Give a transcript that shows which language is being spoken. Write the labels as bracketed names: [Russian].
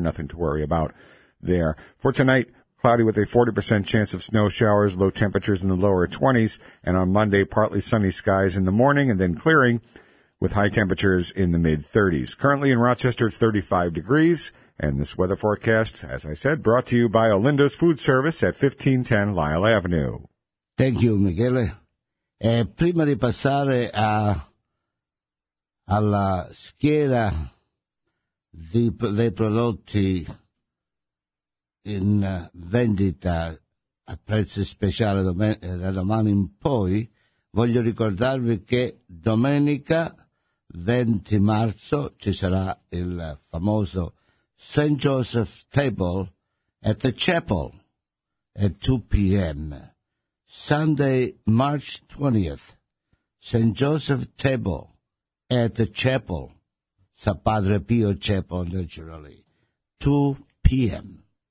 [English] Nothing to worry about there. For tonight, cloudy with a 40% chance of snow showers, low temperatures in the lower 20s, and on Monday, partly sunny skies in the morning and then clearing with high temperatures in the mid-30s. Currently in Rochester, it's 35 degrees, and this weather forecast, as I said, brought to you by Olindo's Food Service at 1510 Lyle Avenue. Thank you, Michele. [Italian] Prima di passare alla schiera dei prodotti in vendita a prezzi speciali da domani in poi, voglio ricordarvi che domenica 20 marzo ci sarà il famoso St. [English] Joseph Table at the Chapel at 2 p.m. Sunday, March 20th, St. Joseph Table at the Chapel, San Padre Pio Chapel, naturally, 2 p.m.